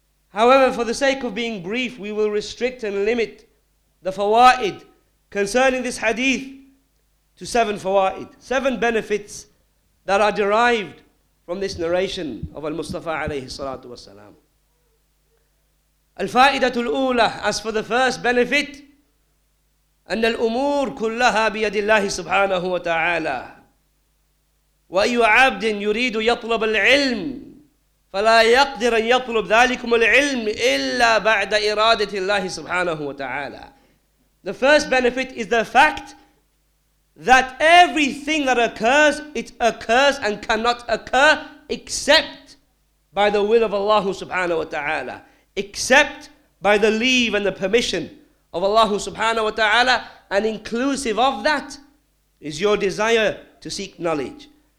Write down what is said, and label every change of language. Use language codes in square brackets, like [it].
[en] However, for the sake of being brief, we will restrict and limit the fawaid concerning this hadith to 7 fawaid, 7 benefits that are derived from this narration of Al-Mustafa alayhi salatu wasalam. [ar] Al-fa'idatul ula, [en] as for the first benefit, [ar] أن الأمور كلها بيد الله سبحانه وتعالى وأي عبد يريد يطلب العلم فلا يقدر أن يطلب ذلكم العلم إلا بعد إرادة الله سبحانه وتعالى. [en] The first benefit is the fact that everything that occurs, it occurs and cannot occur except by the will of Allah subhanahu wa ta'ala, except by the leave and the permission of Allah subhanahu wa ta'ala, and inclusive of that is your desire to seek knowledge.